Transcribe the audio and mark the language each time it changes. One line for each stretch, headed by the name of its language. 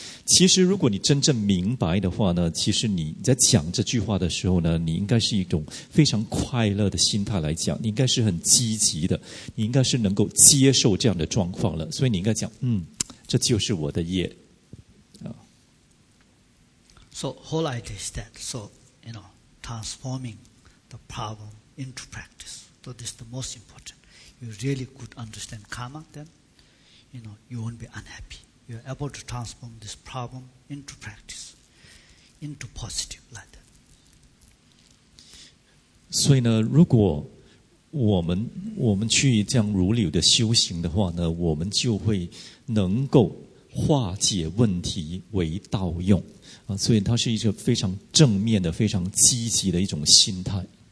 Chinese: 其实如果你真正明白的话呢，其实你在讲这句话的时候呢，你应该是一种非常快乐的心态来讲，你应该是很积极的，你应该是能够接受这样的状况了，所以你应该讲，嗯，这就是我的业。
English: So whole idea is that, so, you know, transforming the problem into practice, so this is the most important. You really could understand karma, then, you know, you won't be unhappy. You're able to transform this problem into practice, into positive, like that.
Chinese: 所以呢，如果我们去这样如理的修行的话呢，我们就会能够化解问题为道用啊。所以它是一个非常正面的、非常积极的一种心态。